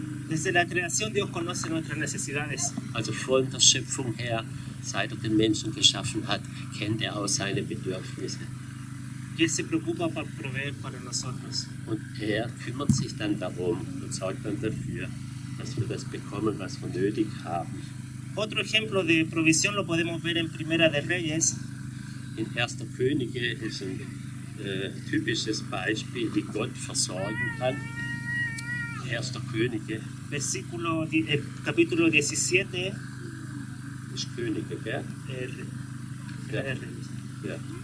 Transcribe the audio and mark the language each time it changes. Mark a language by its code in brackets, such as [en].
[es] Desde la creación, Dios conoce nuestras necesidades. [de] Also von der Schöpfung her, seit er den Menschen geschaffen hat, kennt er auch seine Bedürfnisse. [es] Que se preocupa por proveer para nosotros. [de] Und er kümmert sich dann darum und sorgt dann dafür, dass wir das bekommen, was wir nötig haben. [es] Otro ejemplo de provisión lo podemos ver en Primera de Reyes. [de] In 1. Könige ist ein typisches Beispiel, wie Gott versorgen kann. 1. Könige. Versículo, Kapitel 17. Ist Könige, gell? Ja.